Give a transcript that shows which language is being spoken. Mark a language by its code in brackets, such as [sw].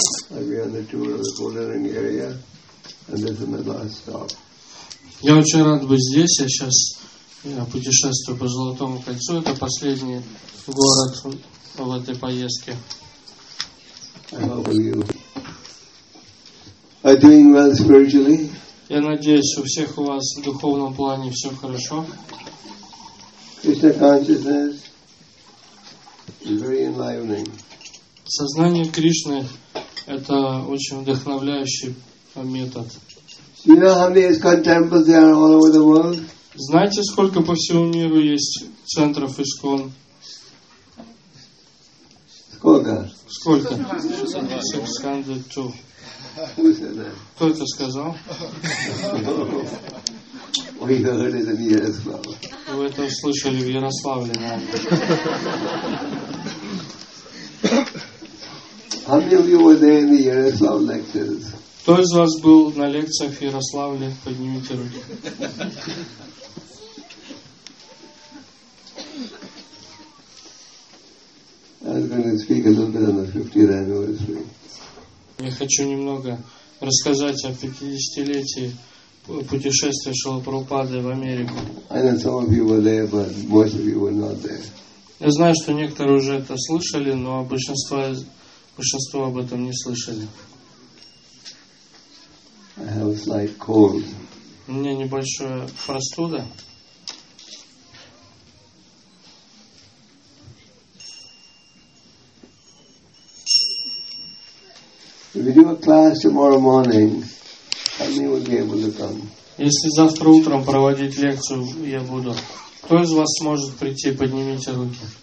[en] We're on the tour of the Kodaran area, and this is my last stop. [ru] Я очень рад быть здесь. Я сейчас путешествую по Золотому кольцу. Это последний город в этой поездке. [en] How are you? Are doing well spiritually? [ru] Я надеюсь, у всех у вас в духовном плане все хорошо. [en] Krishna consciousness is very enlivening. [ru] Сознание Кришны – это очень вдохновляющий метод. [en] Do you know how many ISKCON temples there are all over the world? [ru] Знаете, сколько по всему миру есть центров ISKCON? Сколько? Сколько? 602. Кто это сказал? [en] We heard it in Yaroslavl. [ru] Вы это услышали в Ярославле, да? [en] How many of you were there in the Yaroslavl lectures? [ru] Кто из вас был на лекциях в Ярославле? Поднимите руки. [en] I'm going to speak a little bit on the 50th anniversary. [ru] Я хочу немного рассказать о 50-летии путешествия Шрилы Прабхупады в Америку. Я знаю, что некоторые уже это слышали, но большинство об этом не слышали. [en] I have a slight cold. [ru] У меня небольшая простуда. [en] If you do a class tomorrow morning, how many will be able to come? [ru] Если завтра утром проводить лекцию, я буду. Кто из вас сможет прийти? Поднимите руки.